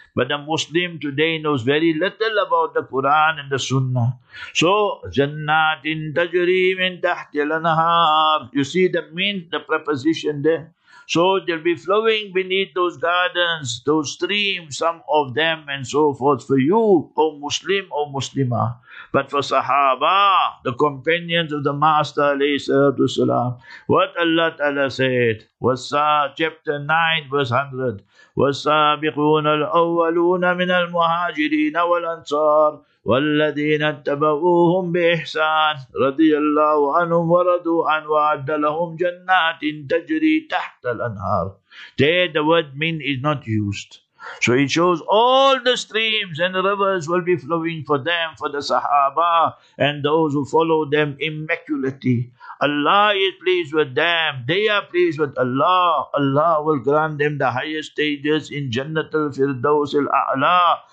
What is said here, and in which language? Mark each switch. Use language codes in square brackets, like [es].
[en] But the Muslim today knows very little about the Quran and the Sunnah. So, [ar] Jannatin tajri min tahti al-anhar. [en] You see the mean, the preposition there. So they'll be flowing beneath those gardens, those streams, some of them and so forth for you, O Muslim, O Muslimah. But for Sahaba, the companions of the Master, alayhi salatu salam, what Allah Ta'ala said, chapter 9, verse 100, [ar] وَالسَّابِقُونَ الْأَوَّلُونَ مِنَ الْمُهَاجِرِينَ وَالْأَنصَارِ وَالَّذِينَ اتَّبَعُوهُمْ بِإِحْسَانٍ رَضِيَ اللَّهُ عَنْهُمْ وَرَضُوا عَنْهُ وَأَعَدَّ لَهُمْ جَنَّاتٍ تَجْرِي تَحْتَ الْأَنْهَارِ. [en] There the word mean is not used. So it shows all the streams and rivers will be flowing for them, for the Sahaba and those who follow them immaculately. Allah is pleased with them. They are pleased with Allah. Allah will grant them the highest stages in Jannat al-Firdaus al-A'la.